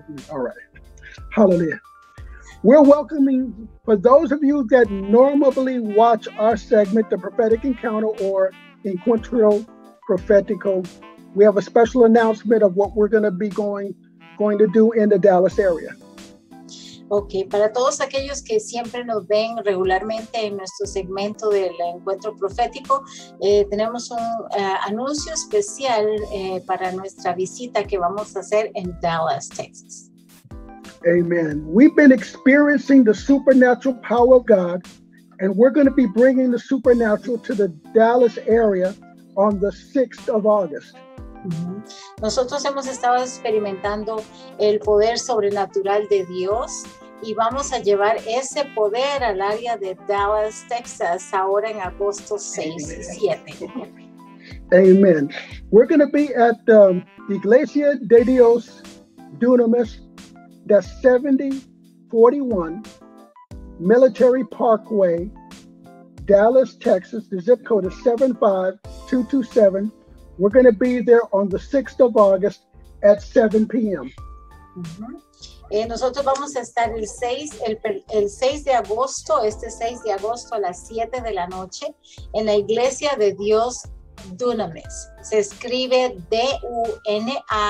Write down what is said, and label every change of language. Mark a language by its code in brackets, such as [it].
[en] All right. Hallelujah. We're welcoming, for those of you that normally watch our segment, The Prophetic Encounter or Encuentro Profetico, we have a special announcement of what we're going to be going to do in the Dallas area. [es] Okay, para todos aquellos que siempre nos ven regularmente en nuestro segmento del Encuentro Profético, tenemos un anuncio especial para nuestra visita que vamos a hacer en Dallas, Texas. [en] Amen. We've been experiencing the supernatural power of God, and we're going to be bringing the supernatural to the Dallas area on the 6th of August. [es] Nosotros hemos estado experimentando el poder sobrenatural de Dios, y vamos a llevar ese poder al área de Dallas, Texas, ahora en agosto 6 y 7. [en] Amen. We're going to be at the Iglesia de Dios Dunamis. That's 7041 Military Parkway, Dallas, Texas. The zip code is 75227. We're going to be there on the 6th of August at 7 p.m. [es] Nosotros vamos a estar el 6 de agosto a las 7 de la noche en la Iglesia de Dios Dunamis. Se escribe D-U-N-A-M-I-S.